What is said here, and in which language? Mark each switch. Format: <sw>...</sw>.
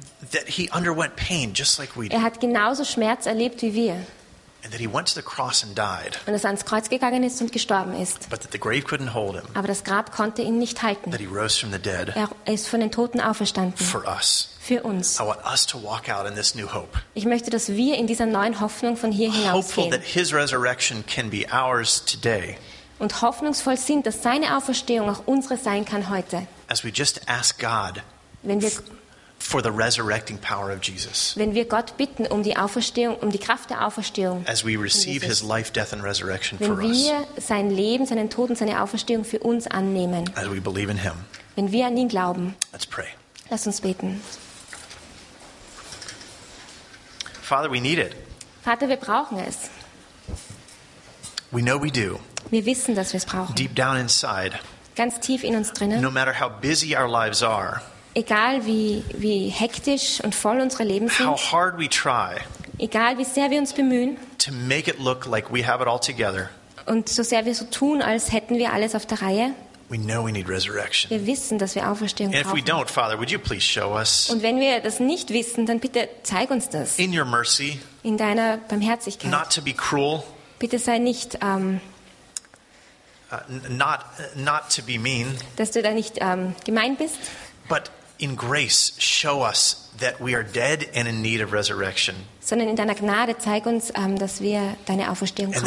<en>That he underwent pain just like we did.</en> <de>Er hat genauso Schmerz erlebt wie wir.</de> <en>And that he went to the cross and died.</en> <de>Und dass er ans Kreuz gegangen ist und gestorben ist.</de> <en>But that the grave couldn't hold him.</en> <de>Aber das Grab konnte ihn nicht halten.</de> <en>That he rose from the dead.</en> <de>Er ist von den Toten auferstanden.</de> <en>For us.</en> <de>Für uns.</de> <en>I want us to walk out in this new hope.</en> <de>Ich möchte, dass wir in dieser neuen Hoffnung von hier hinausgehen.</de> <en>Hopeful that his resurrection can be ours today.</en> <de>Und hoffnungsvoll sind, dass seine Auferstehung auch unsere sein kann heute.</de> <en>As we just ask God.</en> <de>Wenn wir</de> <en>for the resurrecting power of Jesus.</en> <de>Wenn wir Gott bitten um die Auferstehung, um die Kraft der Auferstehung.</de> <en>As we receive his life, death and resurrection for</en> <de>us. Wenn wir sein Leben, seinen Tod und seine Auferstehung für uns annehmen.</de> <en>As we believe in him.</en> <de>Wenn wir an ihn glauben.</de> <en>Let's pray.</en> <de>Lass uns beten.</de> <en>Father, we need it.</en> <de>Vater, wir brauchen es.</de> <en>We know we do.</en> <de>Wir wissen, dass wir es brauchen.</de> <en>Deep down inside.</en> <de>Ganz tief in uns drinnen.</de> <en>No matter how busy our lives are.</en> <de>Egal wie hektisch und voll unsere Leben sind.</de> <en>How hard we try.</en> <de>Egal wie sehr wir uns bemühen.</de> <en>To make it look like we have it all together.</en> <de>Und so sehr wir so tun, als hätten wir alles auf der Reihe.</de> <en>We know we need resurrection.</en> <de>Wir wissen, dass wir Auferstehung brauchen.</de> <en>And if we don't, Father, would you please show us?</en> <de>Und wenn wir das nicht wissen, dann bitte zeig uns das.</de> <en>In your mercy.</en> <de>In deiner Barmherzigkeit.</de> <en>Not to be cruel.</en> <de>Bitte sei nicht</de> <en>not to be mean.</en> <de>Dass du da nicht gemein bist.</de> <en>But in grace show us that we are dead and in need of resurrection.</en> <de>Sondern in deiner Gnade zeig uns, dass wir deine Auferstehung brauchen.</de>